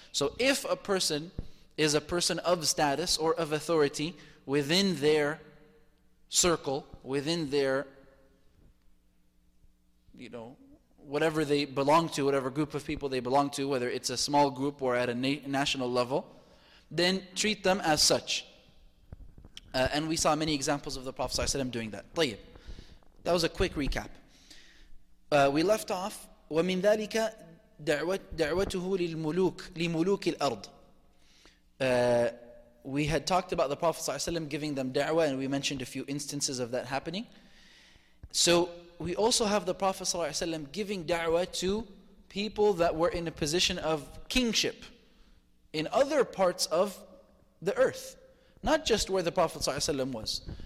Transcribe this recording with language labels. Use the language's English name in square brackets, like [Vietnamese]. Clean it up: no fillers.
[English] So if a person is a person of status or of authority within their circle, within their, you know, whatever they belong to, whatever group of people they belong to, whether it's a small group or at a national level, then treat them as such. And we saw many examples of the Prophet ﷺ doing that. طيب. That was a quick recap. We left off, [Arabic] وَمِن ذَلِكَ دَعْوَتُهُ لِمُلُوكِ الْأَرْضِ. [English] We had talked about the Prophet ﷺ giving them da'wah, and we mentioned a few instances of that happening. So we also have the Prophet ﷺ giving da'wah to people that were in a position of kingship in other parts of the earth, not just where the Prophet ﷺ was.